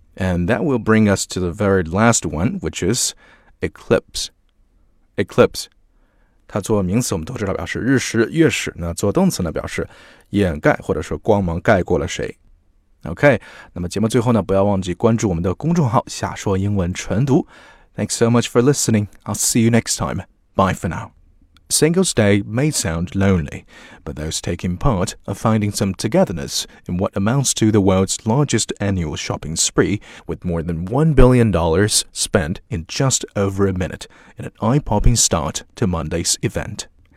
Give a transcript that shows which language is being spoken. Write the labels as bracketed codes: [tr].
[en] And that will bring us to the very last one, which is eclipse. Eclipse. [zh] 它做名词我们都知道表示日食月食，那做动词呢表示掩盖或者说光芒盖过了谁。 [en] OK, [zh] 那么节目最后呢不要忘记关注我们的公众号下说英文晨读。 [en] Thanks so much for listening. I'll see you next time. Bye for now. Singles Day may sound lonely, but those taking part are finding some togetherness in what amounts to the world's largest annual shopping spree with more than $1 billion spent in just over a minute in an eye-popping start to Monday's event.